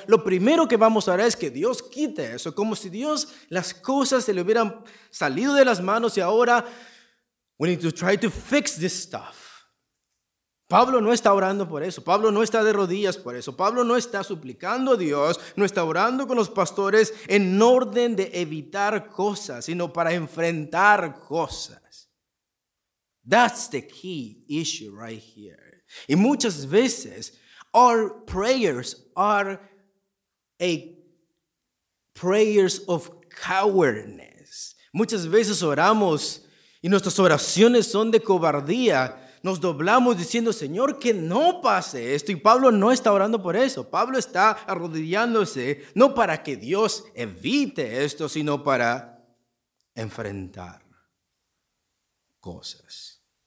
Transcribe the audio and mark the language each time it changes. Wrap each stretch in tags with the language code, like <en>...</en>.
<es>Lo primero que vamos a hacer es que Dios quite eso. Como si Dios, las cosas se le hubieran salido de las manos y ahora,</es> <en>we need to try to fix this stuff.</en> <es>Pablo no está orando por eso, Pablo no está de rodillas por eso, Pablo no está suplicando a Dios, no está orando con los pastores en orden de evitar cosas, sino para enfrentar cosas.</es> <en>That's the key issue right here.</en> <es>Y muchas veces,</es> <en>our prayers are a prayers of cowardness.</en> <es>Muchas veces oramos y nuestras oraciones son de cobardía. Nos doblamos diciendo, Señor, que no pase esto. Y Pablo no está orando por eso. Pablo está arrodillándose no para que Dios evite esto, sino para enfrentar cosas.</es>